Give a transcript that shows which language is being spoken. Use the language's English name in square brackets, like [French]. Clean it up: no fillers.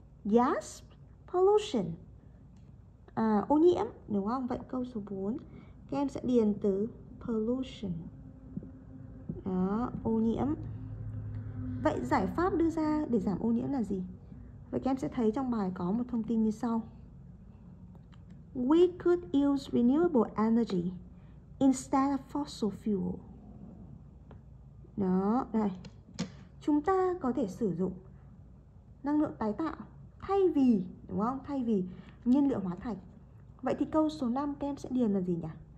[English] Yes, pollution. [Vietnamese] Ô nhiễm, đúng không? Vậy câu số 4, các em sẽ điền từ pollution. Đó, ô nhiễm. Vậy giải pháp đưa ra để giảm ô nhiễm là gì? Vậy các em sẽ thấy trong bài có một thông tin như sau. [English] We could use renewable energy instead of fossil fuel. [Vietnamese] Đó, đây. Chúng ta có thể sử dụng năng lượng tái tạo thay vì, đúng không? Thay vì nhiên liệu hóa thạch. Vậy thì câu số 5 các em sẽ điền là gì nhỉ?